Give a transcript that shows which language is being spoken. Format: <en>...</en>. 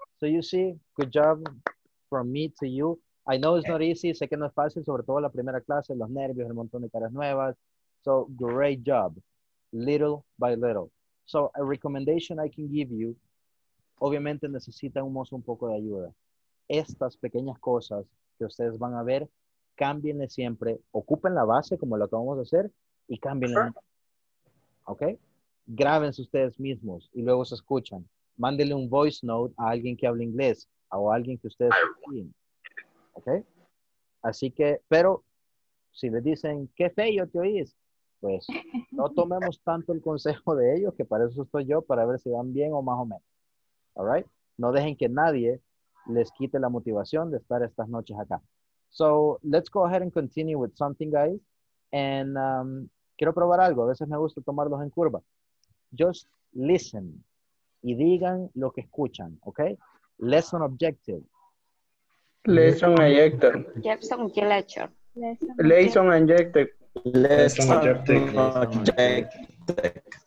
<en>So you see, good job from me to you. I know it's not easy.</en> <es>Sé que no es fácil, sobre todo la primera clase, los nervios, el montón de caras nuevas.</es> <en>So great job, little by little. So a recommendation I can give you,</en> <es>obviamente necesitamos un poco de ayuda. Estas pequeñas cosas que ustedes van a ver, cámbienle siempre. Ocupen la base, como lo acabamos de hacer, y cámbienle.</es> <en>Sure.</en> <es>¿Ok? Grábense ustedes mismos y luego se escuchan. Mándenle un voice note a alguien que hable inglés o a alguien que ustedes escuchen. ¿Ok? Así que, pero si le dicen, qué feo te oís, pues no tomemos tanto el consejo de ellos, que para eso estoy yo, para ver si van bien o más o menos.</es> <en>¿All right?</en> <es>No dejen que nadie les quite la motivación de estar estas noches acá.</es> <en>So, let's go ahead and continue with something, guys.</en> <es>And quiero probar algo. A veces me gusta tomarlos en curva.</es> <en>Just listen</en> <es>y digan lo que escuchan, ¿ok?</es> <en>Lesson objective. Lesson objective. Lesson lecture. Lesson objective. Lesson objective.</en>